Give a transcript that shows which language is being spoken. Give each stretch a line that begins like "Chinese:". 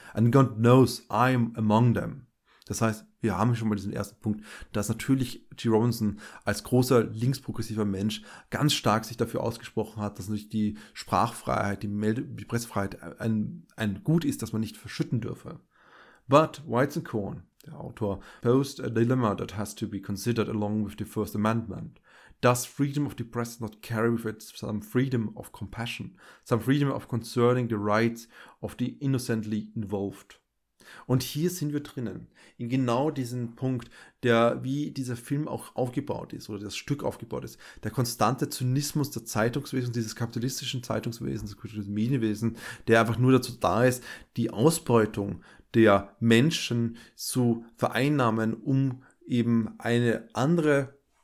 English: And God knows, I'm among them.
German: Das heißt, wir haben schon mal diesen ersten Punkt, dass natürlich G. Robinson als großer linksprogressiver Mensch ganz stark sich dafür ausgesprochen hat, dass natürlich die Sprachfreiheit, die Pressefreiheit ein Gut ist, das man nicht verschütten dürfe.
English: But Weizen und Korn,
German: der Autor,
English: posed a dilemma that has to be considered along with the First Amendment. Does freedom of the press not carry with it some freedom of compassion? Some freedom of concerning the rights of the innocently involved?
German: Und hier sind wir drinnen, in genau diesem Punkt, der, wie dieser Film auch aufgebaut ist oder das Stück aufgebaut ist, der konstante Zynismus der Zeitungswesen, dieses kapitalistischen Zeitungswesens, des Medienwesens, der einfach nur dazu da ist, die Ausbeutung der Menschen zu vereinnahmen, um eben eine andere